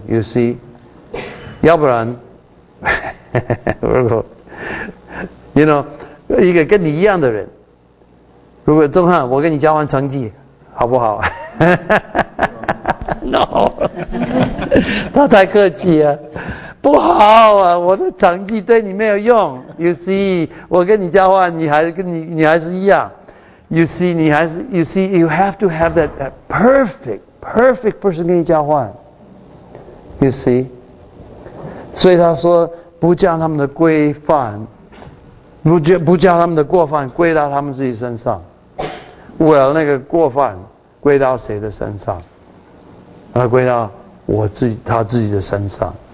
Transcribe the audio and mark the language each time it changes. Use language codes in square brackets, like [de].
[zh] You see， 要不然如果You know， 一个跟你一样的人，如果钟汉我跟你交换成绩好不好？ No， 他太客气啊，不好啊，我的成绩对你没有用。 You see， 我跟你交换你还是跟你还是一样。 [en] You see， [zh] 你还是 [en] You see， you have to have that, that perfect perfect person [zh] 跟你交换。 You see， 所以他说不将他们的规范不将他们的过犯归到他们自己身上。 Well， 那个过犯归到谁的身上？那归到我自己，他自己的身上。